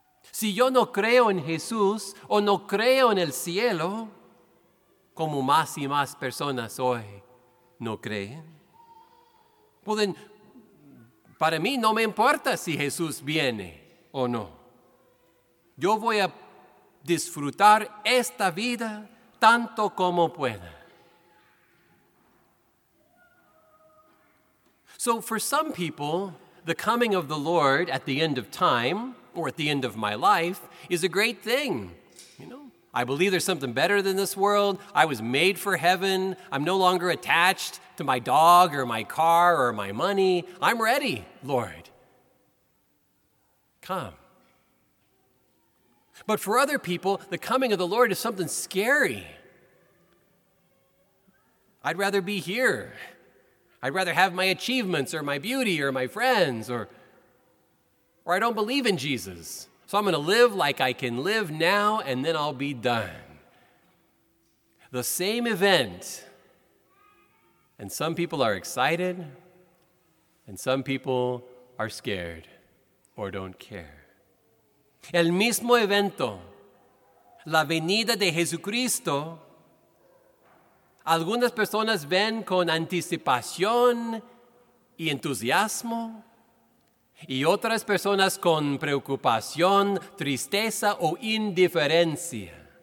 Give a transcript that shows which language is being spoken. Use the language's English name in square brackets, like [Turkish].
[Spanish] Si yo no creo en Jesús o no creo en el cielo, como más y más personas hoy no creen, pueden, para mí no me importa si Jesús viene o no. Yo voy a disfrutar esta vida tanto como pueda. [English] So for some people, the coming of the Lord at the end of time or at the end of my life is a great thing. You know, I believe there's something better than this world. I was made for heaven. I'm no longer attached to my dog or my car or my money. I'm ready, Lord. Come. But for other people, the coming of the Lord is something scary. I'd rather be here. I'd rather have my achievements or my beauty or my friends, or I don't believe in Jesus. So I'm going to live like I can live now and then I'll be done. The same event. And some people are excited and some people are scared or don't care. [Spanish] El mismo evento, la venida de Jesucristo, algunas personas ven con anticipación y entusiasmo, y otras personas con preocupación, tristeza o indiferencia.